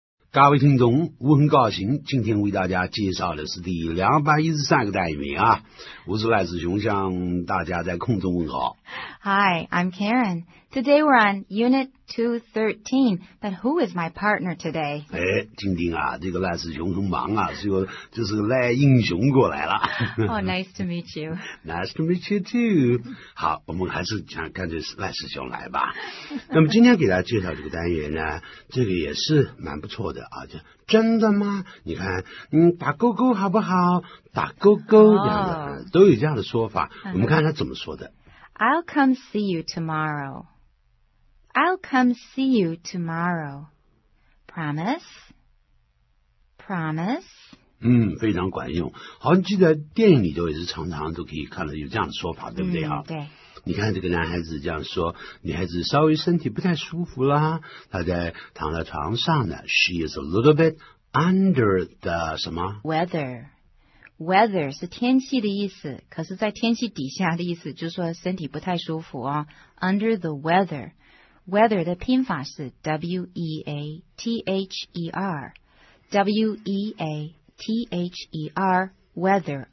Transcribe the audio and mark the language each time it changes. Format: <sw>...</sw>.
<zh>各位听众，我很高兴今天为大家介绍的是第213个单元啊。我是赖子雄，向大家在空中问好。</zh> <en>Hi, I'm Karen. Today we're on Unit 213, but who is my partner today?</en> <zh>哎，今天啊，这个赖子雄很忙啊，就是赖英雄过来了。</zh> <en>Oh, nice to meet you. Nice to meet you too.</en> <zh>好，我们还是想跟着赖子雄来吧。那么今天给大家介绍这个单元呢，这个也是蛮不错的啊，就真的吗？你看，打勾勾好不好？打勾勾这样的、oh. 都有这样的说法。我们看他怎么说的。</zh> <en>I'll come see you tomorrow. I'll come see you tomorrow. Promise? Promise?</en> <zh>非常管用。好像记得电影里头也是常常都可以看到有这样的说法，对不对啊？对。你看这个男孩子这样说，女孩子稍微身体不太舒服啦，她在躺在床上呢。</zh> <en>She is a little bit under the</en> <zh>什么</zh> <en>?Weather.</en> <zh>Weather 是天气的意思，可是在天气底下的意思就是说身体不太舒服啊。</zh> <en>Under the weather. Weather</en> <zh>的拼法是</zh> <en>W-E-A-T-H-E-R. W-E-A-T-H-E-R. Weather.</en>